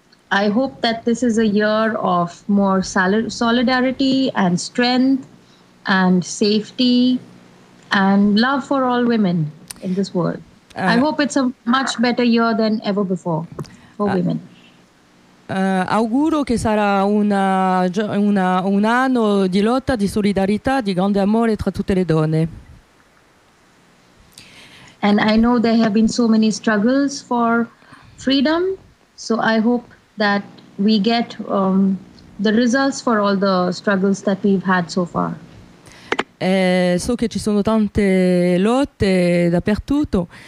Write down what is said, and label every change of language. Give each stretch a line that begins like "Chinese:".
English: I hope that this is a year of more solidarity and strength and safety and love for all women in this world. I hope it's a much better year than ever before for women.
Italian: Auguro che sarà un anno di lotta, di solidarietà, di grande amore tra tutte le donne.
English: And I know there have been so many struggles for freedom, so I hope that we get the results for all the struggles that we've had so far.
Italian: So che ci sono tante lotte dappertutto.